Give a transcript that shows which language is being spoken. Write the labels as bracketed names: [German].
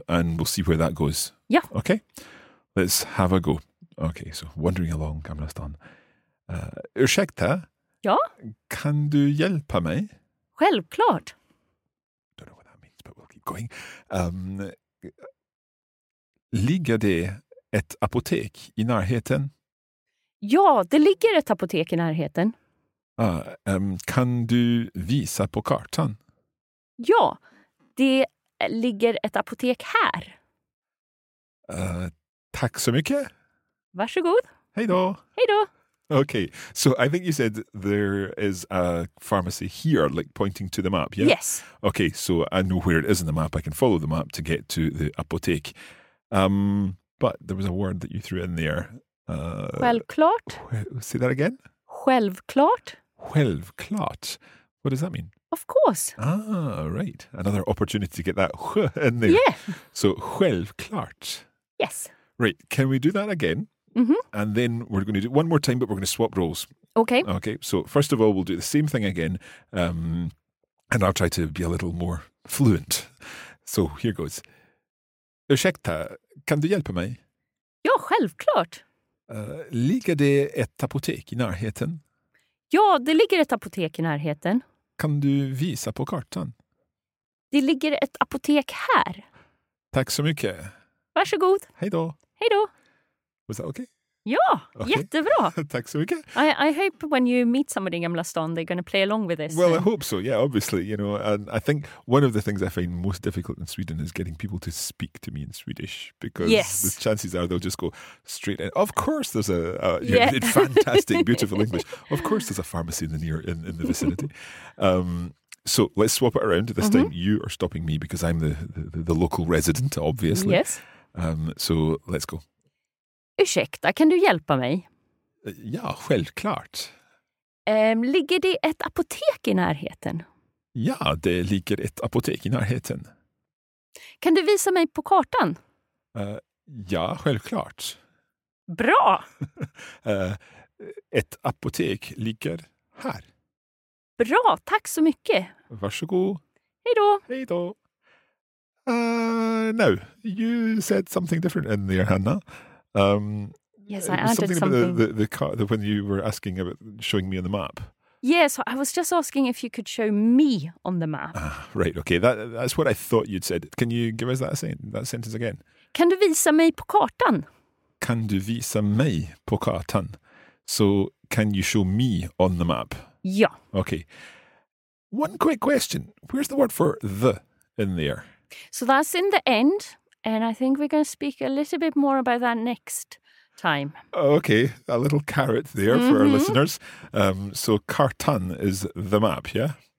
[English] And we'll see where that goes. Yeah. Okay. Let's have a go. Okay. So wandering along, Gamla Stan. Ursäkta. [Swedish] Ja. Kan du hjälpa mig? Självklart. [English] Don't know what that means, but we'll keep going. [Swedish] Ligger det ett apotek I närheten? Ja, det ligger ett apotek I närheten. Kan du visa på kartan? Ja, det ligger ett apotek här. Tack så mycket. Varsågod. Hej då. Hej då. [English] Okay, so I think you said there is a pharmacy here, like pointing to the map, yeah? Yes. Okay, so I know where it is in the map. I can follow the map to get to the apotek. But there was a word that you threw in there. [Swedish] Självklart. [English] Say that again. [Swedish] självklart. [English] Självklart. What does that mean? Of course. Ah, right. Another opportunity to get that sh in there. Yeah. [Swedish] So, självklart. [English] Yes. Right. Can we do that again? Mm-hmm. And then we're going to do it one more time, but we're going to swap roles. Okay. Okay. So, first of all, we'll do the same thing again. And I'll try to be a little more fluent. So, here goes. [Swedish] Ursäkta, kan du hjälpa mig? Ja, självklart. Ligger det ett apotek i närheten? Ja, det ligger ett apotek i närheten. Kan du visa på kartan? Det ligger ett apotek här. Tack så mycket. Varsågod. Hej då. Hej då. [English] Was that okay? [Swedish] Ja, okay. Jättebra. Tack så mycket. [English] I hope when you meet somebody in Gamla stan, they're going to play along with this. Well, I hope so. Yeah, obviously. You know, and I think one of the things I find most difficult in Sweden is getting people to speak to me in Swedish. Because yes. The chances are they'll just go straight in. Of course there's a fantastic, beautiful English. Of course there's a pharmacy in the vicinity. So let's swap it around. This mm-hmm. time you are stopping me because I'm the local resident, obviously. Yes. So let's go. [Swedish] Ursäkta, kan du hjälpa mig? Ja, självklart. Ligger det ett apotek i närheten? Ja, det ligger ett apotek i närheten. Kan du visa mig på kartan? Ja, självklart. Bra! ett apotek ligger här. Bra, tack så mycket. Varsågod. Hej då. Hej då. [English] Now, you said something different in there, Hanna. Yes, I added something. Something about the car, when you were asking about showing me on the map. Yes, I was just asking if you could show me on the map. Right, okay. That's what I thought you'd said. Can you give us that sentence again? [Swedish] Kan du visa mig på kartan? Kan du visa mig på kartan? [English] So, can you show me on the map? [Swedish] Ja. [English] Okay. One quick question. Where's the word for the in there? So that's in the end. And I think we're going to speak a little bit more about that next time. Okay, a little carrot there mm-hmm. for our listeners. So kartan is the map, yeah?